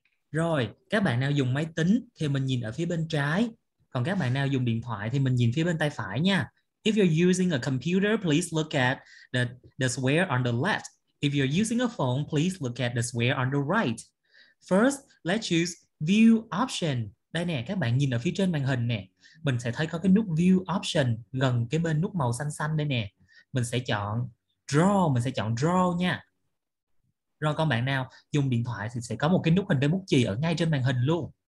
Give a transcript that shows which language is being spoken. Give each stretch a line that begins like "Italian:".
Vietnamese: Rồi, các bạn nào dùng máy tính thì mình nhìn ở phía bên trái, còn các bạn nào dùng điện thoại thì mình nhìn phía bên tay phải nha.
English: If you're using a computer, please look at the square on the left. If you're using a phone, please look at the square on the right. First, let's choose view option.
Vietnamese: Đây nè, các bạn nhìn ở phía trên màn hình nè. Mình sẽ thấy có cái nút view option gần cái bên nút màu xanh xanh đây nè. Mình sẽ chọn draw, mình sẽ chọn draw nha. Rồi con bạn nào dùng điện thoại thì sẽ có một cái nút hình cái bút chì ở ngay trên màn hình luôn.